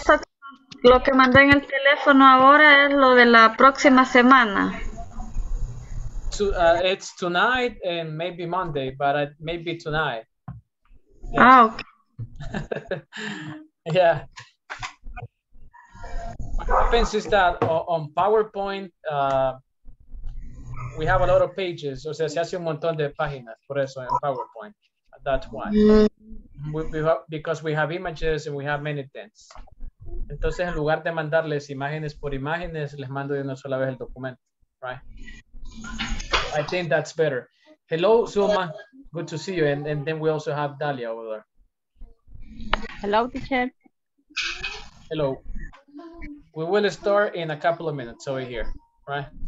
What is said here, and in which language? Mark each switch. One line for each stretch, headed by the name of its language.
Spanish: Eso, lo que mandé en el teléfono ahora es lo de la próxima semana.
English: It's tonight and maybe Monday, but maybe tonight. Yes. Ah, okay. Yeah. What happens is that on PowerPoint, we have a lot of pages.
Spanish: O sea, se hace un montón de páginas, por eso, en PowerPoint.
English: That's why. Mm-hmm. Because we have images and we have many things.
Spanish: Entonces, en lugar de mandarles imágenes por imágenes, les mando de una sola vez el documento, right?
English: I think that's better. Hello, Zuma. Good to see you. And then we also have Dahlia over there. Hello, teacher. Hello. We will start in a couple of minutes over here, right?